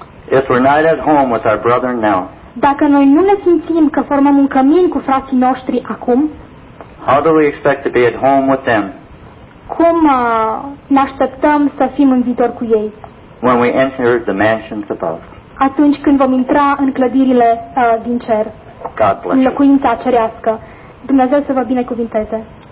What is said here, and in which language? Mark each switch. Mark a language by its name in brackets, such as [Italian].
[English] If we're not at home with our brethren now. [Romanian] Dacă noi nu ne simțim că formăm un cămin cu frații noștri acum, [English] how do we expect to be at home with them? [Romanian] Cum ne așteptăm să fim în viitor cu ei? [English] When we enter the mansions above. [Romanian] Atunci când vom intra în clădirile din cer, [English] God bless [Romanian] în locuința cerească. Dumnezeu să vă binecuvinteze.